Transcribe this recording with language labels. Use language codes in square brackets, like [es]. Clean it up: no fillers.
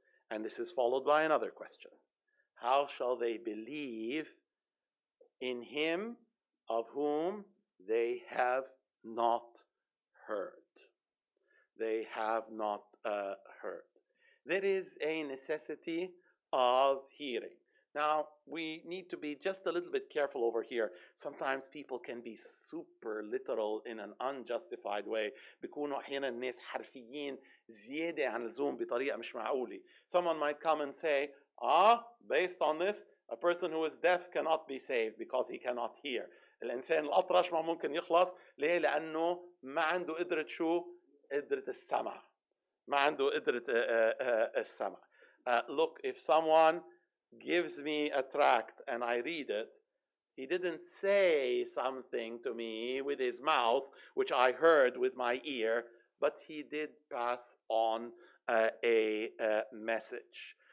[en] And this is followed by another question. How shall they believe in him of whom they have not heard? They have not heard. There is a necessity of hearing. Now, we need to be just a little bit careful over here. Sometimes people can be super literal in an unjustified way. [ar] بيكونوا أحيانا الناس حرفيين زيادة عن اللزوم بطريقة مش معقولة. [en] Someone might come and say, based on this, A person who is deaf cannot be saved because he cannot hear. [ar] الإنسان الأطرش ما ممكن يخلص. ليه؟ لأنه ما عنده قدرة شو؟ قدرة السمع. ما عنده قدرة السمع. [en] Look, if someone gives me a tract and I read it, he didn't say something to me with his mouth, which I heard with my ear, but he did pass on a message.